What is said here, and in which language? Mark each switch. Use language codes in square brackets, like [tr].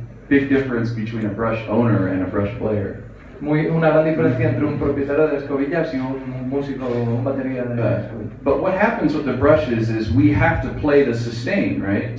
[en] Big difference between a brush owner and a brush player. [es] Muy, una gran diferencia entre un propietario de escobillas y un músico, un batería de escobillas. [en] But what happens with the brushes is we have to play the sustain, right?